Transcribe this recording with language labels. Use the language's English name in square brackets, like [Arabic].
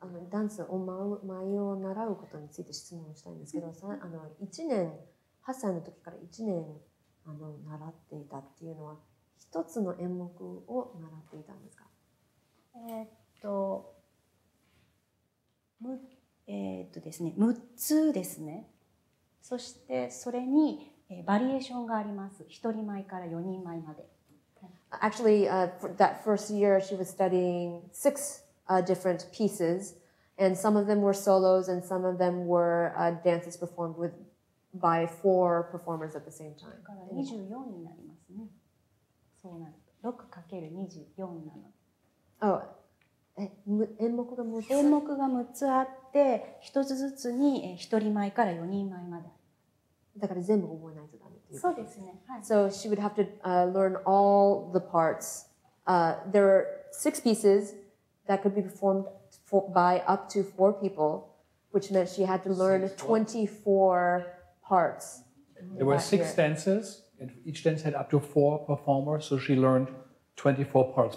[Japanese] ダンスを舞いを習うことについて質問したいんですけど、1年、8歳の時から1年習っていたっていうのは、一つの演目を習っていたんですか？ですね、6つですね。そしてそれに、バリエーションがあります。 1人前から4人前まで。 [English] Actually, that first year she was studying six, different pieces, and some of them were solos and some of them were, dances performed with, by four performers at the same time. [Japanese] だから24になりますね。そうなると。 6×24 なので。 Oh, 演目が6つ。演目が6つあって、1つずつに1人前から4人前まで。だから全部覚えないとダメ。そうですね。はい。 [English] So she would have to、learn all the parts.、there are six pieces that could be performed for, by up to four people, which meant she had to learn 24 parts. There were six dancers, and each dance had up to four performers, so she learned 24 parts.